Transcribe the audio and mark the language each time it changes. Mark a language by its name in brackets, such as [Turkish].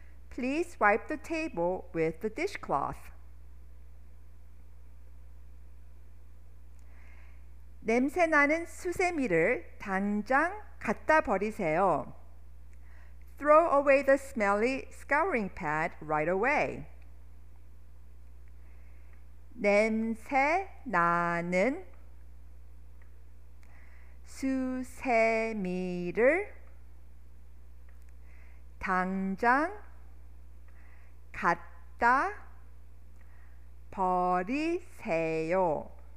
[English] Please wipe the table with the dishcloth. [Korean] 냄새 나는 수세미를 당장 갖다 버리세요. [English] Throw away the smelly scouring pad right away. [Korean] 냄새 나는 수세미를 당장 갖다 버리세요.